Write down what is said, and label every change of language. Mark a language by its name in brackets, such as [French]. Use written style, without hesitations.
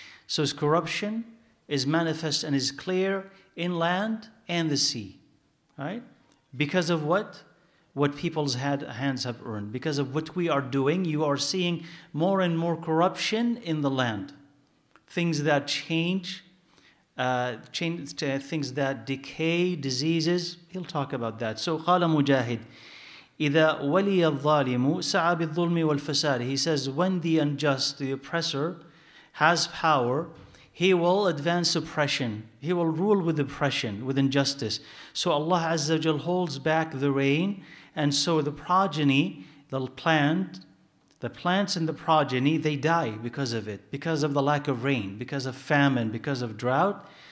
[English] So his corruption is manifest and is clear in land and the sea, right? Because of what? What people's hands have earned. Because of what we are doing, you are seeing more and more corruption in the land. Things that change, things that decay, diseases, he'll talk about that. [Arabic] So, قال مجاهد, إِذَا وَلِيَ الظَّالِمُ سَعَى بِالظُّلْمِ وَالْفَسَادِ. [English] He says, when the unjust, the oppressor, has power, he will advance oppression. He will rule with oppression, with injustice. So Allah Azza wa Jal holds back the rain, and so the progeny, the plants and the progeny, they die because of it, because of the lack of rain, because of famine, because of drought.